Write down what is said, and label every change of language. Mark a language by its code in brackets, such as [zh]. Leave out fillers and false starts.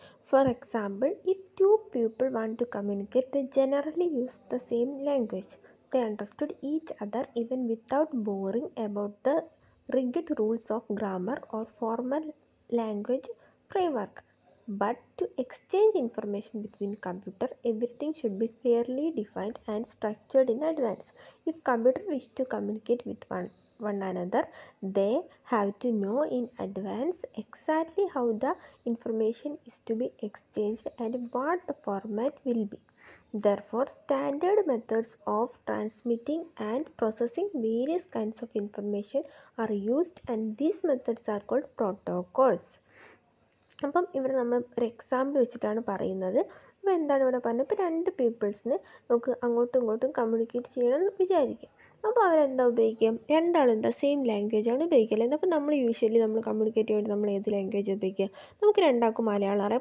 [en] For example, if two people want to communicate the generally use the same language. They understood each other even without boring about the rigid rules of grammar or formal language framework. But to exchange information between computer, everything should be clearly defined and structured in advance. If computer wish to communicate with one another, they have to know in advance exactly how the information is to be exchanged and what the format will be. Therefore, standard methods of transmitting and processing various kinds of information are used, and these methods are called protocols. [ml] അപ്പം ഇവിടെ നമ്മൾ ഒരു example വെച്ചിട്ടാണ് പറയുന്നത്. അപ്പോൾ എന്താണ് ഇവിടെ പറഞ്ഞത്, ഇപ്പോൾ രണ്ട് പീപ്പിൾസിന് നമുക്ക് അങ്ങോട്ടും ഇങ്ങോട്ടും കമ്മ്യൂണിക്കേറ്റ് ചെയ്യണം എന്ന് വിചാരിക്കുക. അപ്പോൾ അവരെന്താ ഉപയോഗിക്കുക, രണ്ടാളെന്താ സെയിം ലാംഗ്വേജ് ആണ് ഉപയോഗിക്കുക അല്ലേ. അപ്പോൾ നമ്മൾ യൂഷ്വലി നമ്മൾ കമ്മ്യൂണിക്കേറ്റ് ചെയ്യാൻ വേണ്ടി നമ്മൾ ഏത് ലാംഗ്വേജ് ഉപയോഗിക്കുക, നമുക്ക് രണ്ടാൾക്കും മലയാളം അറിയാം.